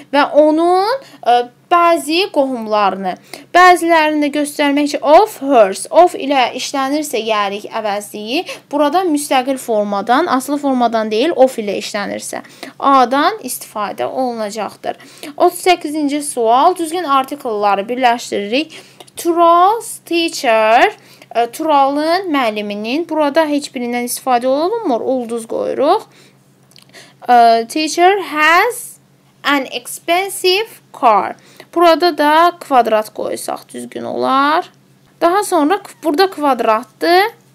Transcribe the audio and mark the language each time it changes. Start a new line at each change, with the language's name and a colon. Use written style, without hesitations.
Azerbaijani: Və onun bəzi qohumlarını, bəzilərini göstərmək üçün of hers, of ilə işlənirsə yəlik əvəzliyi, burada müstəqil formadan, asılı formadan deyil, of ilə işlənirsə. A-dan istifadə olunacaqdır. 38-ci sual, düzgün artikulları birləşdiririk. Trust teacher... Tural'ın, müəlliminin. Burada heç birindən istifadə olunmur. Ulduz qoyuruq.
English: Teacher has an expensive car.
Azerbaijani: Burada da kvadrat qoysaq düzgün olar. Daha sonra burada kvadratdır.